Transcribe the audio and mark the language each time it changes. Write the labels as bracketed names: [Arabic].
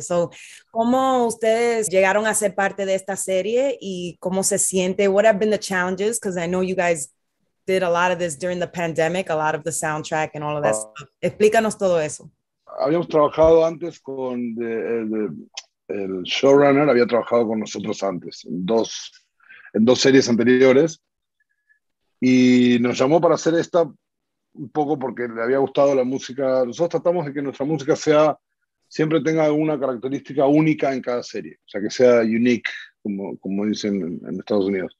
[Spanish] So, ¿cómo ustedes llegaron a ser parte de esta serie y cómo se siente? [English] What have been the challenges? Because I know you guys did a lot of this during the pandemic, a lot of the soundtrack and all of that stuff. [Spanish] Explícanos todo eso. Habíamos trabajado antes con el showrunner, había trabajado con nosotros antes, en dos series anteriores, y nos llamó para hacer esta un poco porque le había gustado la música. Nosotros tratamos de que nuestra música siempre tenga una característica única en cada serie, o sea, que sea unique, como dicen en Estados Unidos.